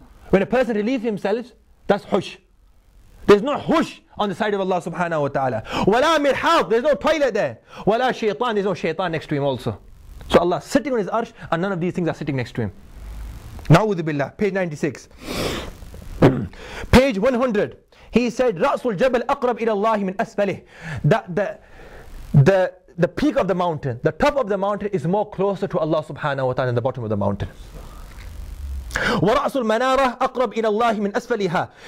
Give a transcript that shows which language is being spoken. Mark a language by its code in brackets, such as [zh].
[en] When a person relieves himself, that's hush. There's no hush on the side of Allah subhanahu wa ta'ala. [ar] وَلَا مِرْحَاظ. [en] There's no toilet there. [ar] وَلَا شَيْطَان. [en] There's no shaitan next to Him also. So Allah sitting on His arsh and none of these things are sitting next to Him. [ar] نَعُوذِ بِاللَّهِ. [en] Page 96. Page 100. He said, [ar] رَأْسُ الْجَبَلْ أَقْرَبْ إِلَى اللَّهِ مِنْ أَسْفَلِهِ. [en] That the peak of the mountain, the top of the mountain is more closer to Allah subhanahu wa ta'ala than the bottom of the mountain. [ar] ورأس المنارة أقرب إلى الله من أسفلها.